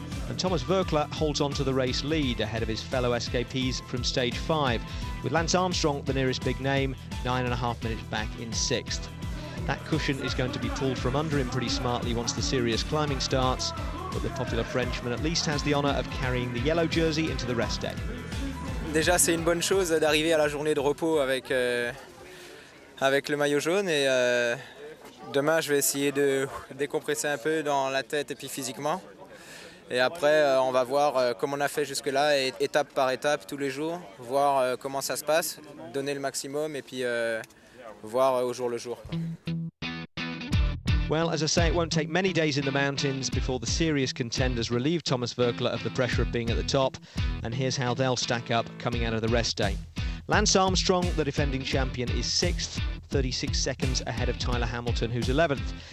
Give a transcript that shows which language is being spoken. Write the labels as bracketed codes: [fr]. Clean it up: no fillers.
[en] And Thomas Voeckler holds on to the race lead ahead of his fellow escapees from stage five, with Lance Armstrong the nearest big name, 9.5 minutes back in sixth. That cushion is going to be pulled from under him pretty smartly once the serious climbing starts, but the popular Frenchman at least has the honour of carrying the yellow jersey into the rest day. [fr] Déjà, c'est une bonne chose d'arriver à la journée de repos avec avec le maillot jaune. Et demain, je vais essayer de décompresser un peu dans la tête et puis physiquement. Et après, on va voir comme on a fait jusque-là, étape par étape, tous les jours, voir comment ça se passe, donner le maximum et puis voir au jour le jour. [en] Well, as I say, it won't take many days in the mountains before the serious contenders relieve Thomas Voeckler of the pressure of being at the top, and here's how they'll stack up coming out of the rest day. Lance Armstrong, the defending champion, is 6th, 36 seconds ahead of Tyler Hamilton, who's 11th.